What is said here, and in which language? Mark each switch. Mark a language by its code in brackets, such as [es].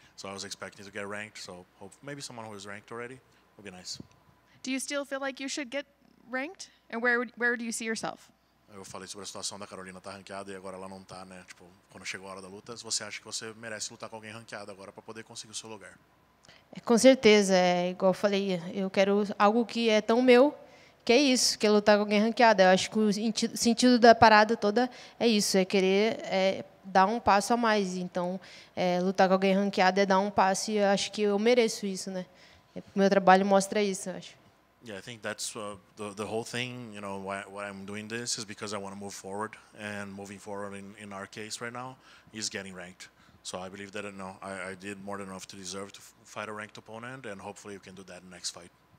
[en] So I was expecting to get ranked. So maybe someone who is ranked already would be nice. Do you still feel like you should get ranked? And where do you see yourself? [pt] Eu falei sobre a situação da Karolina estar ranqueada e agora ela não está, né? Tipo, quando chegou a hora da luta, você acha que você merece lutar com alguém ranqueado agora para poder conseguir o seu lugar? Com certeza, igual eu falei, eu quero algo que é tão meu que é isso, que é lutar com alguém ranqueada. Eu acho que o sentido da parada toda é isso, é querer dar um passo a mais. Então, lutar com alguém ranqueada é dar um passo, e eu acho que eu mereço isso, né? Meu trabalho mostra isso, eu acho. [en] Yeah, I think that's the whole thing, you know, why I'm doing this is because I want to move forward, and moving forward in our case right now is getting ranked. So I believe that, no, I did more than enough to deserve to fight a ranked opponent, and hopefully you can do that in the next fight.